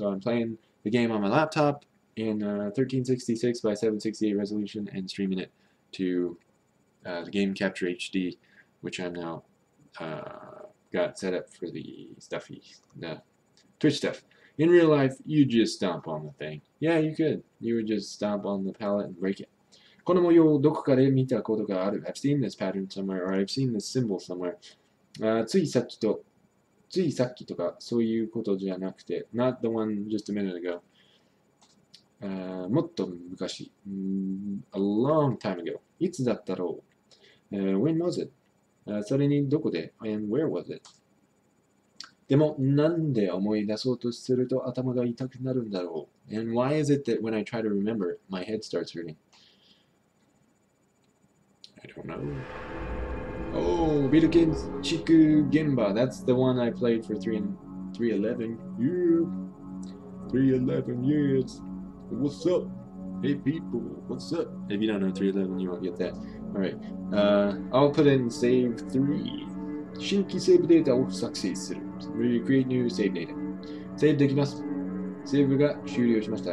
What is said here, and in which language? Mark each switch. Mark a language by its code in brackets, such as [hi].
[en] So I'm playing the game on my laptop in 1366 by 768 resolution and streaming it to the Game Capture HD, which I'm now... got set up for the stuffy, the Twitch stuff. In real life, you just stomp on the thing. Yeah, you could. You would just stomp on the pallet and break it. [ja] この模様をどこかで見たことがある。 [en] I've seen this pattern somewhere, or I've seen this symbol somewhere. [ja] ついさっきとかそういうことじゃなくて、 [en] not the one just a minute ago. [ja] もっと昔、 [en] a long time ago. [ja] いつだったろう? [en] When was it? [ja] それにどこで [en] And where was it? [ja] でもなんで思い出そうとすると頭が痛くなるんだろう [en] And why is it that when I try to remember, my head starts hurting? I don't know. Oh, Beetle Kid's Chiku Gemba. That's the one I played for 311 years. 311 years. What's up? Hey people, what's up? If you don't know 311, you won't get that. Alright, I'll put in save 3. [ja] 新規セーブデータを作成する。 [en] Recreate new save data. Save [ja] できます。セーブが終了しました。